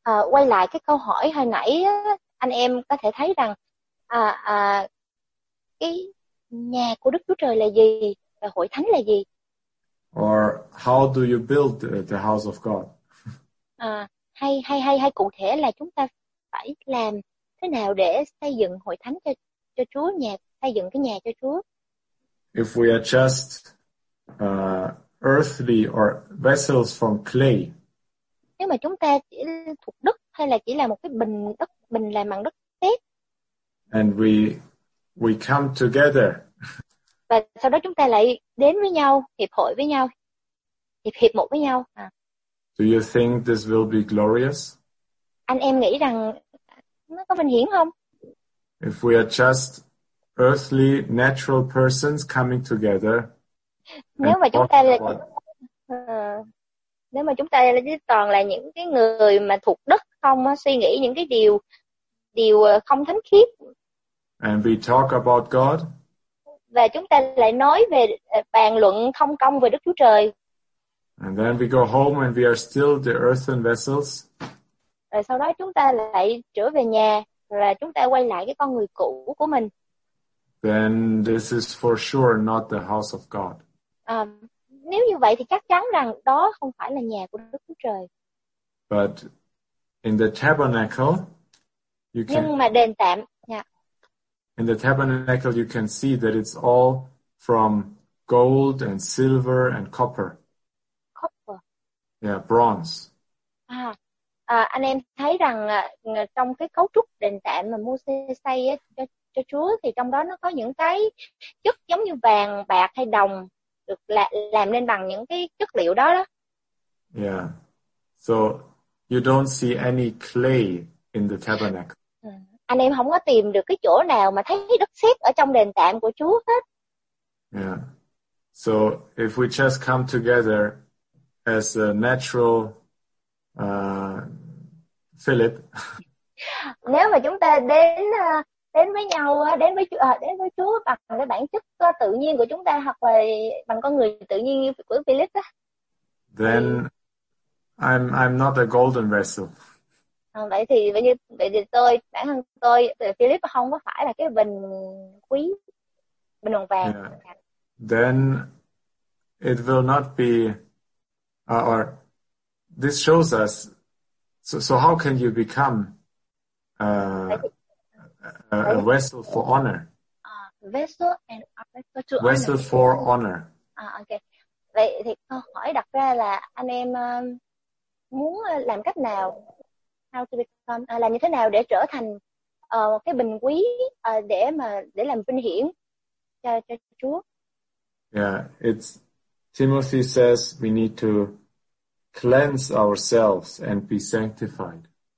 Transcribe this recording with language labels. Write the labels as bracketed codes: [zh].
[vi] Quay lại cái câu hỏi hồi nãy, anh em có thể thấy rằng cái nhà của Đức Chúa Trời là gì, và hội thánh là gì? [en] Or how do you build the house of God? [vi] Hay cụ thể là chúng ta phải làm thế nào để xây dựng hội thánh cho Chúa, nhà, xây dựng cái nhà cho Chúa? [en] If we are just earthly or vessels from clay. [vi] Nếu mà chúng ta chỉ thuộc đất hay là chỉ là một cái bình đất, bình làm bằng đất sét. [en] And we come together. [vi] Và sau đó chúng ta lại đến với nhau, hiệp hội với nhau, hiệp một với nhau. [en] Do you think this will be glorious? [vi] Anh em nghĩ rằng Nó có vinh hiển không? [en] If we are just earthly natural persons coming together. [vi] Nếu mà chúng ta là nếu mà chúng ta là toàn là những cái người mà thuộc đất không suy nghĩ những cái điều không thánh khiết. [en] And we talk about God. [vi] Và chúng ta lại nói về bàn luận thông công về Đức Chúa Trời. [en] And then we go home and we are still the earthen vessels. [vi] Rồi sau đó chúng ta lại trở về nhà, là chúng ta quay lại cái con người cũ của mình. [en] Then this is for sure not the house of God. [vi] Nếu như vậy thì chắc chắn rằng đó không phải là nhà của Đức Chúa Trời. [en] But in the tabernacle, you can. [vi] Nhưng mà đền tạm. [en] In the tabernacle, you can see that it's all from gold and silver and copper. Copper. Yeah, bronze. [vi] Anh em thấy rằng trong cái cấu trúc đền tạm mà Môsê xây cho Chúa thì trong đó nó có những cái chất giống như vàng, bạc hay đồng được làm nên bằng những cái chất liệu đó đó. Yeah. [en] So you don't see any clay in the tabernacle. [vi] Anh em không có tìm được cái chỗ nào mà thấy đất sét ở trong đền tạm của Chúa hết. [en] Yeah. So if we just come together as a natural Philip. [vi] Nếu mà chúng ta đến với nhau, đến với Chúa bằng cái bản chất tự nhiên của chúng ta hoặc là bằng con người tự nhiên như của Philip á. [en] Then I'm not a golden vessel. [vi] Vậy thì tôi, bản thân tôi, Philip không có phải là cái bình quý, bình đồng vàng. Yeah. [en] Then it will not be, or this shows us, so how can you become a vessel for honor? Vessel and a vessel to honor. Vessel for honor. Okay. [vi] Vậy thì câu hỏi đặt ra là anh em muốn làm cách nào? [en] How to become, [vi] làm như thế nào để trở thành cái bình quý để làm vinh hiển cho Chúa. [en] Yeah, it's Timothy says we need to cleanse ourselves and be sanctified.